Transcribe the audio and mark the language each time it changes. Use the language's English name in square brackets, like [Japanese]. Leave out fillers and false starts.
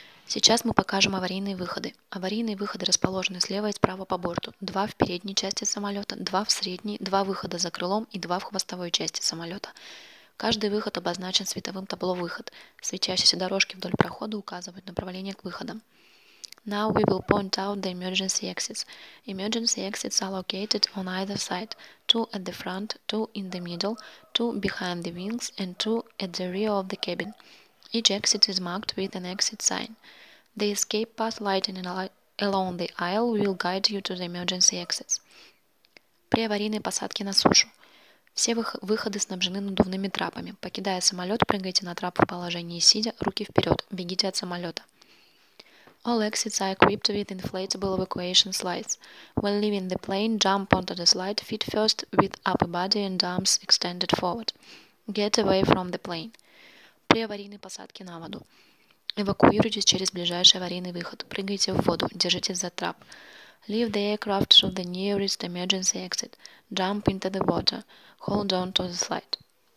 [Russian] Сейчас мы покажем аварийные выходы. Аварийные выходы расположены слева и справа по борту. Два в передней части самолета, два в средней, два выхода за крылом и два в хвостовой части самолета. Каждый выход обозначен световым табло «Выход». Светящиеся дорожки вдоль прохода указывают направление к выходам. [English] Now we will point out the emergency exits. Emergency exits are located on either side, two at the front, two in the middle, two behind the wings, and two at the rear of the cabin. Each exit is marked with an exit sign. The escape path lighting along the aisle will guide you to the emergency exits. [Russian] При аварийной посадке на сушу. Все выходы снабжены надувными трапами. Покидая самолет, прыгайте на трап в положении сидя, руки вперед, бегите от самолета. [English] All exits are equipped with inflatable evacuation slides. When leaving the plane, jump onto the slide feet first with upper body and arms extended forward. Get away from the plane. [Russian] При аварийной посадке на воду. Эвакуируйтесь через ближайший аварийный выход. Прыгайте в воду, держитесь за трап. [English] Leave the aircraft to the nearest emergency exit. Jump into the water. Hold on to the slide.